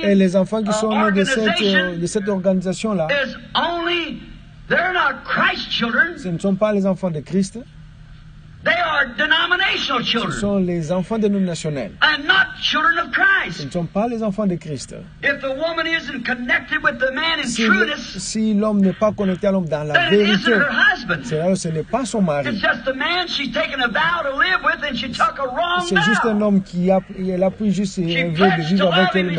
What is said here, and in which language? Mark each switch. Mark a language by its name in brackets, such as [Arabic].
[French] Et les enfants qui sont nés de cette organisation-là, ce ne sont pas les enfants de Christ. [English] They are denominational children. [French] Ce sont les enfants dénominationnels. [English] And not children of Christ. [French] Ce ne sont pas les enfants de Christ. [English] If the woman isn't connected with the man in truth, [French] si l'homme n'est pas connecté à l'homme dans la vérité, [English] then it isn't her husband. [French] Ce n'est pas son mari. [English] It's just the man she's taken a vow to live with, and she took a wrong vow. [French] C'est juste un homme qui a pris juste un vœu de vivre avec elle.